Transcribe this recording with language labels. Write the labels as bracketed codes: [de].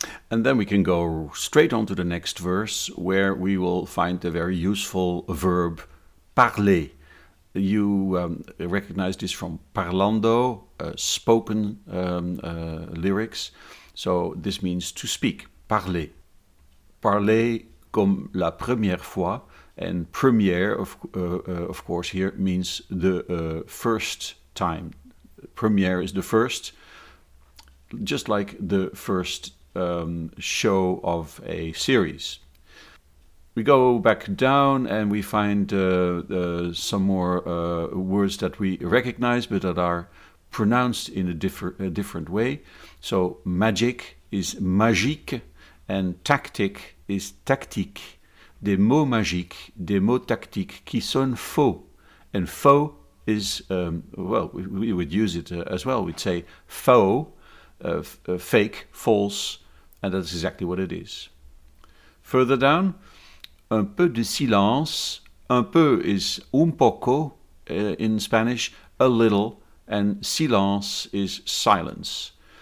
[en] And then we can go straight on to the next verse, where we will find a very useful verb, parler. You recognize this from parlando, spoken lyrics. So this means to speak, parler. [fr] Parler comme la première fois. [en] And première, of course, here means the first time. Première is the first, just like the first show of a series. We go back down and we find some more words that we recognize but that are pronounced in a different way. So magic is magique and tactic is tactique. [fr] Des mots magiques, des mots tactiques qui sonnent faux. [en] And faux is, we would use it as well. We'd say faux, fake, false, and that's exactly what it is. Further down, [fr] un peu de silence. [en] Un peu is un poco in Spanish, a little, and silence is silence.